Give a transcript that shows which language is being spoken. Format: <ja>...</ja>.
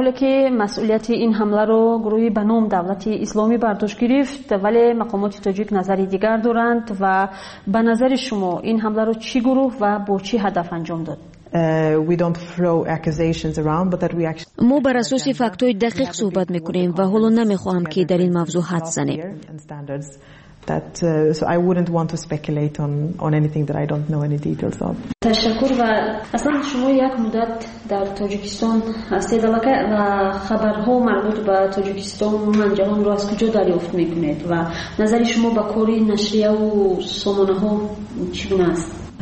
<fa>حالی که مسئولیت این حمله را گروه به نام دولت اسلامی بر دوش گرفت، ولی مقامات تاجیک نظری دیگر دارند و به نظر شما این حمله را چه گروه و با چه هدف انجام داد؟</fa> <en>We don't throw accusations around, but that we actually.</en> <fa>مو بر اساس فکت‌های دقیق صحبت میکنیم و حالا نمیخواهم که در این موضوع حد زنیم.</fa> <en>That so I wouldn't want to speculate on anything that I don't know any details of.</en> <fa>تشکر و اصلا شما یک مدت در تاجیکستان هستید و خبرها مربوط به تاجیکستان و جهان رو از کجا دریافت میکنید و نظر شما به کاری نشریه و سامانه ها چگونه است؟</fa>